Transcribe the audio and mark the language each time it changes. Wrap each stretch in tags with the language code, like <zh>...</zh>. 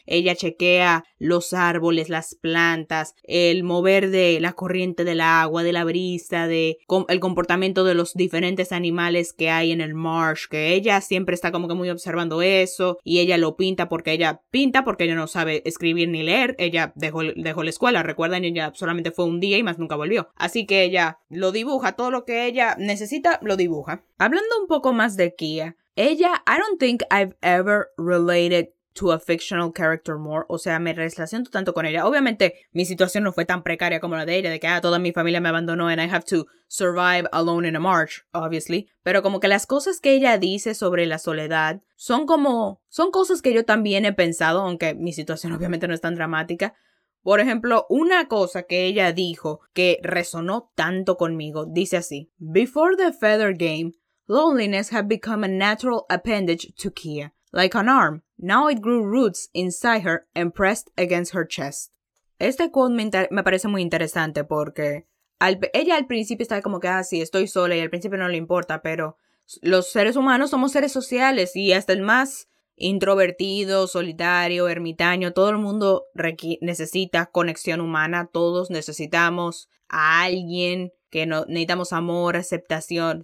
<es>Ella chequea los árboles, las plantas, el mover de la corriente del agua, de la brisa, el comportamiento de los diferentes animales que hay en el marsh, que ella siempre está como que muy observando eso y ella lo pinta porque ella no sabe escribir ni leer. Ella dejó la escuela, recuerden, ella solamente fue un día y más nunca volvió. Así que ella lo dibuja, todo lo que ella necesita lo dibuja. Hablando un poco más de Kia, ella,</es> <en>I don't think I've ever related to a fictional character more.</en> <es>O sea, me relaciono tanto con ella. Obviamente, mi situación no fue tan precaria como la de ella, de que toda mi familia me abandonó</es> <en>and I have to survive alone in a marsh, obviously.</en> <es>Pero como que las cosas que ella dice sobre la soledad son cosas que yo también he pensado, aunque mi situación obviamente no es tan dramática. Por ejemplo, una cosa que ella dijo que resonó tanto conmigo, dice así:</es> <en>Before the feather game, loneliness had become a natural appendage to Kia, like an arm. Now it grew roots inside her and pressed against her chest.</en> <es>Este quote me parece muy interesante porque ella al principio estaba como que, sí, estoy sola y al principio no le importa, pero los seres humanos somos seres sociales y hasta el más introvertido, solitario, ermitaño, todo el mundo necesita conexión humana, todos necesitamos a alguien, que necesitamos amor, aceptación.</es>